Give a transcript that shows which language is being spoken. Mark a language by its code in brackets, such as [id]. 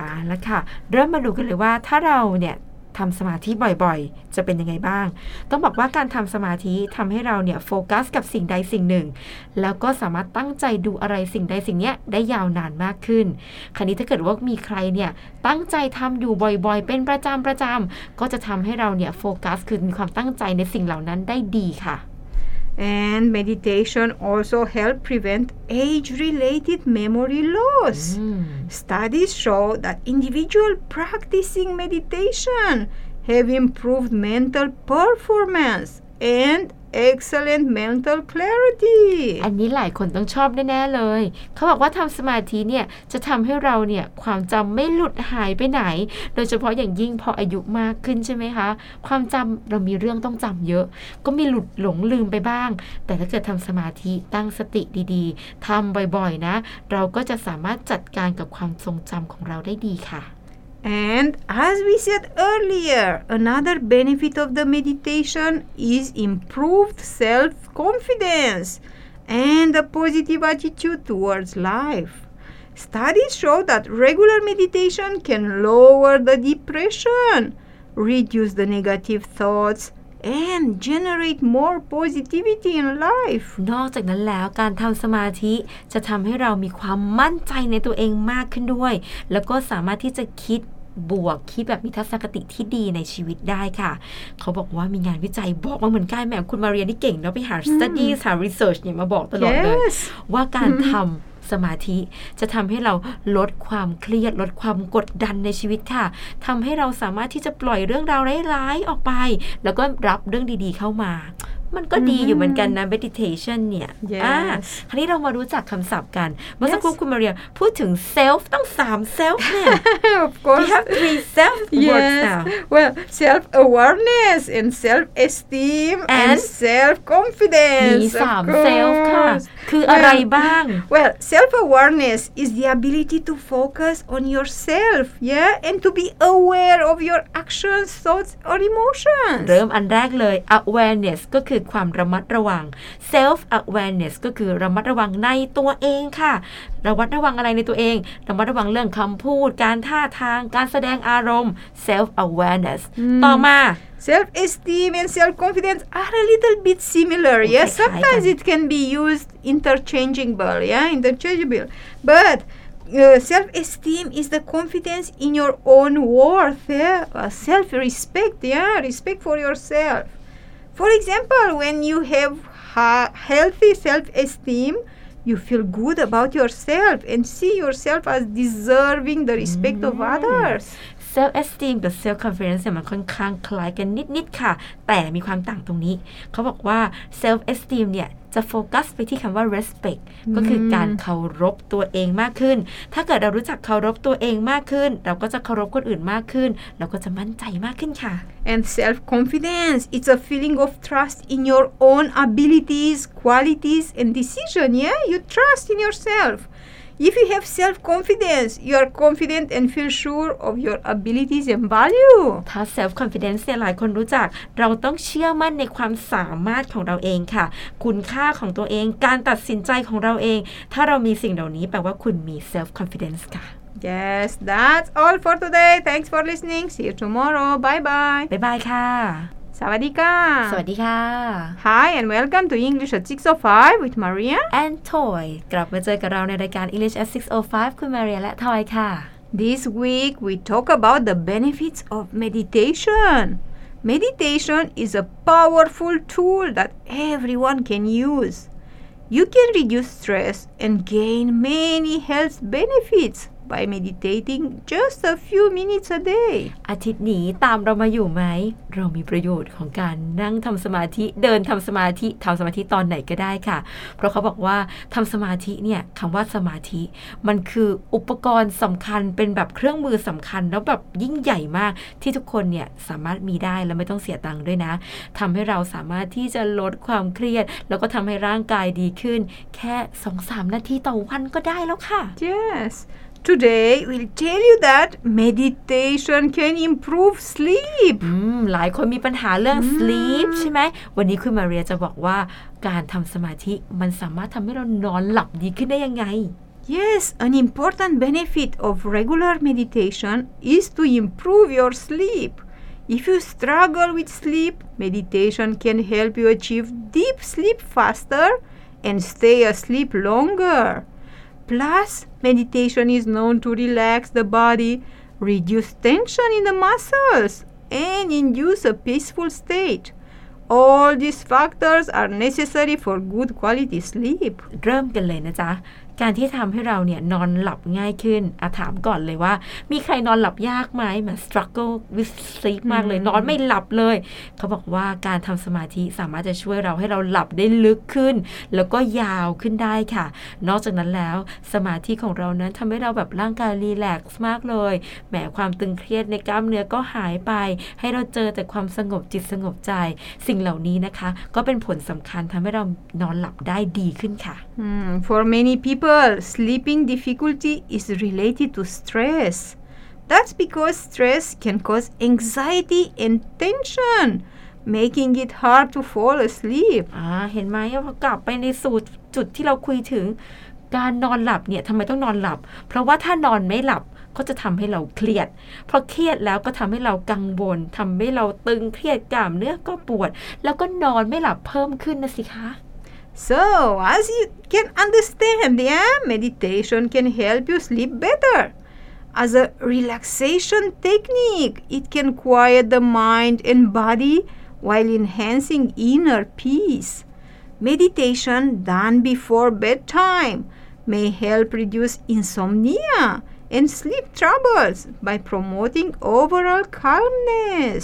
[th] อ่ะล่ะค่ะเริ่มมาดูกันเลยว่าถ้าเราเนี่ยทำสมาธิบ่อยๆจะเป็นยังไงบ้างต้องบอกว่าการทำสมาธิทำให้เราเนี่ยโฟกัสกับสิ่งใดสิ่งหนึ่งแล้วก็สามารถตั้งใจดูอะไรสิ่งใดสิ่งเนี้ยได้ยาวนานมากขึ้นคราวนี้ถ้าเกิดว่ามีใครเนี่ยตั้งใจทำอยู่บ่อยๆเป็นประจำประจำก็จะทำให้เราเนี่ยโฟกัสคือมีความตั้งใจในสิ่งเหล่านั้นได้ดีค่ะ [en] and meditation also help prevent age related memory loss studies show that individual practicing meditation have improved mental performance andExcellent mental clarity. [th] อันนี้หลายคนต้องชอบแน่ๆเลยเขาบอกว่าทำสมาธิเนี่ยจะทำให้เราเนี่ยความจำไม่หลุดหายไปไหนโดยเฉพาะอย่างยิ่งพออายุมากขึ้นใช่ไหมคะความจำเรามีเรื่องต้องจำเยอะก็มีหลุดหลงลืมไปบ้างแต่ถ้าเกิดทำสมาธิตั้งสติดีๆทำบ่อยๆนะเราก็จะสามารถจัดการกับความทรงจำของเราได้ดีค่ะ [en] And as we said earlier, another benefit of the meditation is improved self-confidence and a positive attitude towards life. Studies show that regular meditation can lower the depression, reduce the negative thoughts,and generate more positivity in life. [th] นอกจากนั้นแล้วการทำสมาธิจะทำให้เรามีความมั่นใจในตัวเองมากขึ้นด้วยแล้วก็สามารถที่จะคิด บวกคิดแบบมีทัศนคติที่ดีในชีวิตได้ค่ะเขาบอกว่ามีงานวิจัยบอกมาเหมือนกันแม่คุณมาเรียนนี่เก่งเนาะไปหา studies หา research เนี่ยมาบอกตลอดเลยว่าการทำสมาธิจะทำให้เราลดความเครียดลดความกดดันในชีวิตค่ะทำให้เราสามารถที่จะปล่อยเรื่องราวร้ายๆออกไปแล้วก็รับเรื่องดีๆเข้ามามันก็ดีอยู่เหมือนกันนะ meditation เนี่ย [en] yes. [th] คราวนี้เรามารู้จักคำศัพท์กันเมื่อสักครู่คุณมาเรียพูดถึง self ต้อง3 self เนี่ย [en] of course we have 3 self yes. words now well self awareness and self esteem and self confidence [th] มี 3 self ค่ะคือ well, อะไรบ้าง [en] well self awareness is the ability to focus on yourself yeah and to be aware of your actions thoughts or emotions [th] เริ่มอันแรกเลย awareness ก็คือความระมัดระวัง self awareness ก็คือระมัดระวังในตัวเองค่ะระมัดระวังอะไรในตัวเองระมัดระวังเรื่องคำพูดการท่าทางการแสดงอารมณ์ self awareness ต่อมา [en] self esteem and self confidence are a little bit similar okay, yeah sometimes it can be used interchangeable yeah interchangeable butself-esteem is the confidence in your own worth, yeah? Self-respect, yeah? Respect for yourself. For example, when you have healthy self-esteem, you feel good about yourself and see yourself as deserving the respect of others. [th] Self-esteem กับ self-confidence มันค่อนข้างคล้ายกันนิดๆค่ะแต่มีความต่างตรงนี้เขาบอกว่า self-esteem เนี่ยจะโฟกัสไปที่คำว่า respect ก็คือการเคารพตัวเองมากขึ้นถ้าเกิดเรารู้จักเคารพตัวเองมากขึ้นเราก็จะเคารพคนอื่นมากขึ้นเราก็จะมั่นใจมากขึ้นค่ะ [en] and self confidence it's a feeling of trust in your own abilities qualities and decision yeah you trust in yourself if you have self confidence you are confident and feel sure of your abilities and value [th] ถ้า self confidence เนี่ยหลายคนรู้จักเราต้องเชื่อมั่นในความสามารถของเราเองค่ะคุณค่าของตัวเองการตัดสินใจของเราเองถ้าเรามีสิ่งเหล่านี้แปลว่าคุณมี self confidence ค่ะ [en] yes that's all for today thanks for listening see you tomorrow bye bye bye bye ค่ะ [th] สวัสดีค่ะ สวัสดีค่ะ [en] Hi and welcome to English at 605 with Maria [th] and Toy กลับมาเจอกับเราในรายการ English at 605คุณ Maria และ Toy ค่ะ [en] This week we talk about the benefits of meditation. Meditation is a powerful tool that everyone can use. You can reduce stress and gain many health benefits. By meditating just a few minutes a day. [th] อาทิตย์นี้ตามเรามาอยู่ไหมเรามีประโยชน์ของการนั่งทำสมาธิเดินทำสมาธิทำสมาธิตอนไหนก็ได้ค่ะเพราะเขาบอกว่าทำสมาธิเนี่ยคำว่าสมาธิมันคืออุปกรณ์สำคัญเป็นแบบเครื่องมือสำคัญแล้วแบบยิ่งใหญ่มากที่ทุกคนเนี่ยสามารถมีได้แล้วไม่ต้องเสียตังค์ด้วยนะทำให้เราสามารถที่จะลดความเครียดแล้วก็ทำให้ร่างกายดีขึ้นแค่สองสามนาทีต่อวันก็ได้แล้วค่ะ [en] Yes. Today, we'll tell you that meditation can improve sleep. [th] หลายคนมีปัญหาเรื่อง sleep ใช่ไหมวันนี้คุณมาเรียจะบอกว่าการทำสมาธิมันสามารถทำให้เรานอนหลับดีขึ้นได้ยังไง [en] Yes, an important benefit of regular meditation is to improve your sleep. If you struggle with sleep, meditation can help you achieve deep sleep faster and stay asleep longer. Plus, meditation is known to relax the body, reduce tension in the muscles, and induce a peaceful state. All these factors are necessary for good quality sleep. [th] เริ่มกันเลยนะจ๊ะการที่ทำให้เราเนี่ยนอนหลับง่ายขึ้นอะถามก่อนเลยว่ามีใครนอนหลับยากไหมมัน [en] struggle with sleep [th] มากเลยนอนไม่หลับเลยเขาบอกว่าการทำสมาธิสามารถจะช่วยเราให้เราหลับได้ลึกขึ้นแล้วก็ยาวขึ้นได้ค่ะ นอกจากนั้นแล้วสมาธิของเรานั้นทำให้เราแบบร่างกายรีแลกซ์มากเลยแหมความตึงเครียดในกล้ามเนื้อก็หายไปให้เราเจอแต่ความสงบจิตสงบใจสิ่งเหล่านี้นะคะก็เป็นผลสำคัญทำให้เรานอนหลับได้ดีขึ้นค่ะ [en] for many peopleWell, sleeping difficulty is related to stress. That's because stress can cause anxiety and tension, making it hard to fall asleep. [th] เห็นไหมกลับไปในสูตรจุดที่เราคุยถึงการนอนหลับเนี่ยทำไมต้องนอนหลับเพราะว่าถ้านอนไม่หลับก็จะทำให้เราเครียดพอเครียดแล้วก็ทำให้เรากังวลทำให้เราตึงเครียดกล้ามเนื้อก็ปวดแล้วก็นอนไม่หลับเพิ่มขึ้นนะสิคะ [en] So, as you can understand, yeah, meditation can help you sleep better. As a relaxation technique, it can quiet the mind and body while enhancing inner peace. Meditation done before bedtime may help reduce insomnia and sleep troubles by promoting overall calmness.